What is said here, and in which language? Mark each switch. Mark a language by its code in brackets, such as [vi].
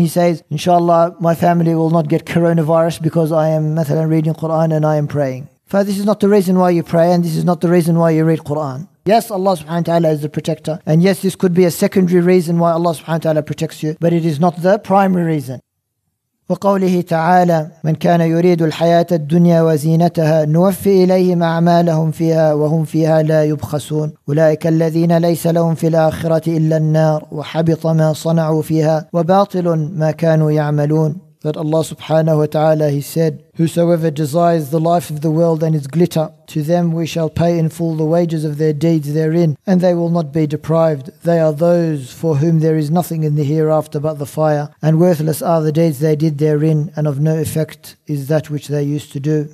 [en] He says, inshallah, my family will not get coronavirus because I am, mathalan, reading Quran and I am praying. For this is not the reason why you pray, and this is not the reason why you read Quran. Yes, Allah subhanahu wa ta'ala is the protector. And yes, this could be a secondary reason why Allah subhanahu wa ta'ala protects you, but it is not the primary reason. [ar] وقوله تعالى من كان يريد الحياة الدنيا وزينتها نوفي إليهم أعمالهم فيها وهم فيها لا يبخسون أولئك الذين ليس لهم في الآخرة إلا النار وحبط ما صنعوا فيها وباطل ما كانوا يعملون. [en] that Allah subhanahu wa ta'ala, He said, whosoever desires the life of the world and its glitter, to them we shall pay in full the wages of their deeds therein, and they will not be deprived. They are those for whom there is nothing in the hereafter but the fire, and worthless are the deeds they did therein, and of no effect is that which they used to do.